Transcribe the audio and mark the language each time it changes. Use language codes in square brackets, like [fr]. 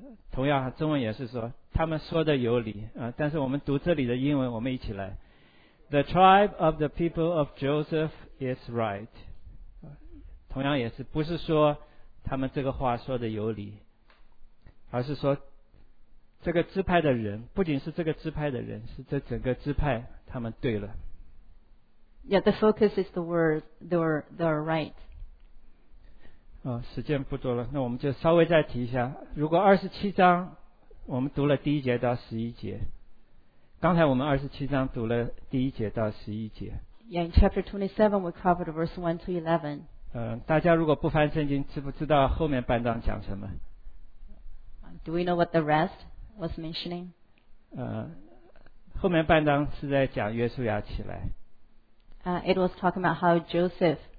[zh] 同样中文也是说他们说的有理、但是我们读这里的英文我们一起来 [en] The tribe of the people of Joseph is right、 [zh] 同样也是不是说他们这个话说的有理而是说这个支派的人不仅是这个支派的人是这整个支派他们对了 [en] Yeah, the focus is the word they're right [zh] 时间不多了那我们就稍微再提一下如果二十七章我们读了第一节到十一节刚才我们二十七章读了第一节到十一节 [en] Yeah, in chapter 27 we covered verse 1 to 11 [zh] 大家如果不翻圣经知不知道后面半章讲什么 [en] Do we know what the rest was mentioning? [zh] 后面半章是在讲约书亚起来 [en] It was talking about how Joseph